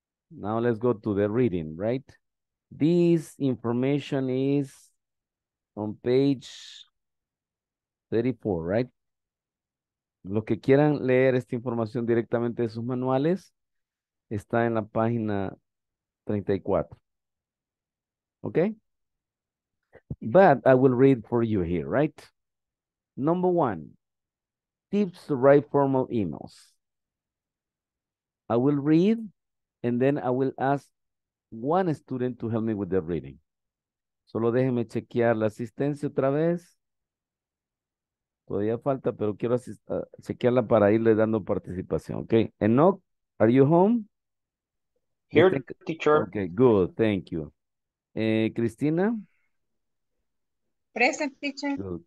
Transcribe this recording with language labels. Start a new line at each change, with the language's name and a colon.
English: Now let's go to the reading, right? This information is on page 34, right?
Spanish: Los que quieran leer esta información directamente de sus manuales, está en la página 34.
English: Okay? But I will read for you here, right? Number one, tips to write formal emails. I will read and then I will ask one student to help me with the reading.
Spanish: Solo déjenme chequear la asistencia otra vez. Todavía falta, pero quiero chequearla para irle dando participación.
English: Okay. Enoch, are you home? Here, teacher. Okay, good. Thank you. Cristina? Present, teacher. Good.